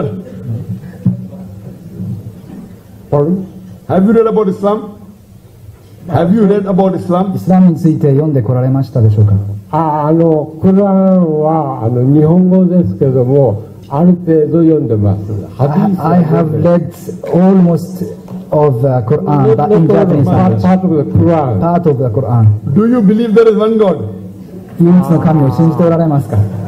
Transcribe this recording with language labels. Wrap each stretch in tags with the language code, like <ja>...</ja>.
<en>ー、パルン、 Have you read about Islam? Have you read about Islam?</en> <ja>イスラムについて読んでこられましたでしょうか。クルアンは日本語ですけども、ある程度読んでます。</ja> <en>I have read almostof the Quran, but in Japanese. Part of the Quran. Part of the Quran. Do you believe there is one God?</en> <ja>唯一の神を信じておられますか？</ja>